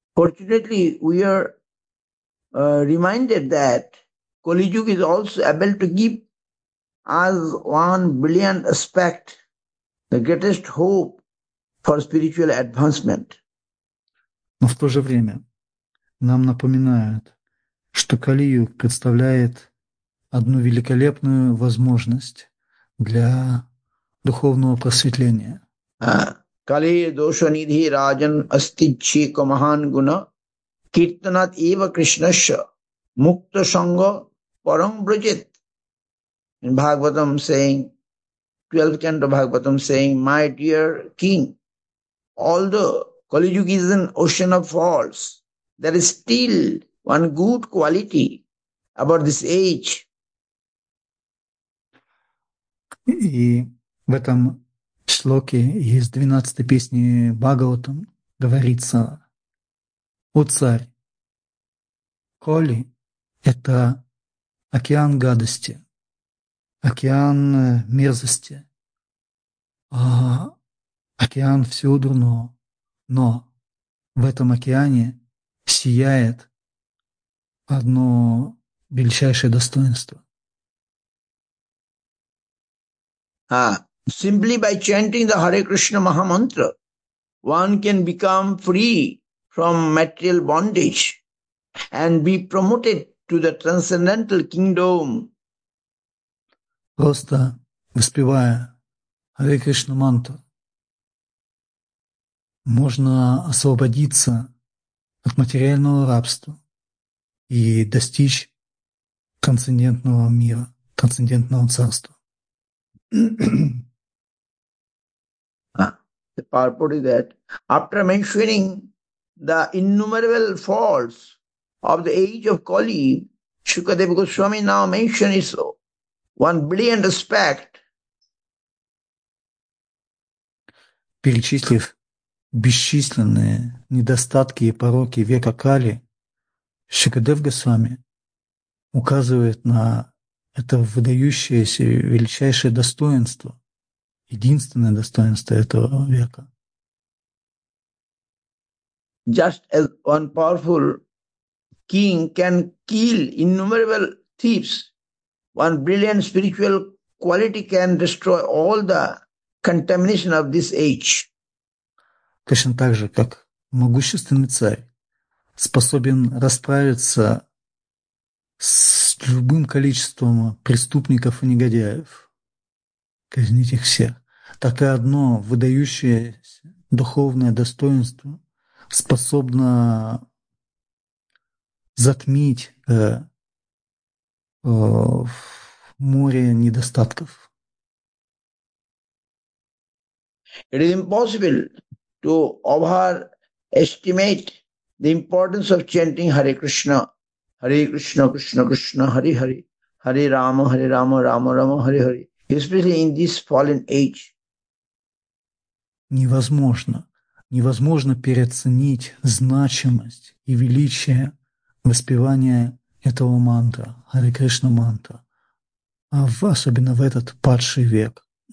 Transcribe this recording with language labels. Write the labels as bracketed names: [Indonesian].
[English] Fortunately, we are reminded that Kali Yuga is also able to give us one brilliant aspect, the greatest hope for spiritual advancement. [Russian] Но в то же время нам напоминают, что Кали Юга представляет одну великолепную возможность для духовного просветления. [Sanskrit] Кали доша нидхи раджан асти чхико махан гуна киртанат ива кришнаша мукта санга парам брачит. [English] In Bhagavatam saying, 12th canto Bhagavatam saying, my dear king, although Kali Yuga is an ocean of faults, there is still one good quality about this age. [Russian] В этом шлоке из 12-й песни Бхагаватам говорится: «О царь, Коли — это океан гадости, океан мерзости, океан всего дурного, но в этом океане сияет одно величайшее достоинство». [English] simply by chanting the Hare Krishna Maha Mantra, one can become free from material bondage and be promoted to the transcendental kingdom. [Russian] Просто воспевая Hare Krishna Mantra, можно освободиться от материального рабства и достичь трансцендентного мира, трансцендентного царства. [English] The purport is that after mentioning the innumerable faults of the age of Kali, Shukadeva Goswami now mentions one brilliant aspect. [Russian] Перечислив бесчисленные недостатки и пороки века Кали, Шукадев Госвами указывает на это выдающееся величайшее достоинство, единственное достоинство этого века. [English] Just as one powerful king can kill innumerable thieves, one brilliant spiritual quality can destroy all the contamination of this age. [Russian] Точно так же, как могущественный царь способен расправиться с любым количеством преступников и негодяев, казнить их всех, так и одно выдающееся духовное достоинство способно затмить море недостатков. [English] It is impossible to overestimate the importance of chanting Hare Krishna. [Sanskrit] Hare Krishna, Krishna Krishna, Hare Hare, Hare Rama, Hare Rama, Rama Rama, Hare Hare. [English] Especially in this fallen age. [Russian] Невозможно, невозможно переоценить значимость и величие воспевания этого мантра, Hare Krishna мантра, а особенно в этот падший век.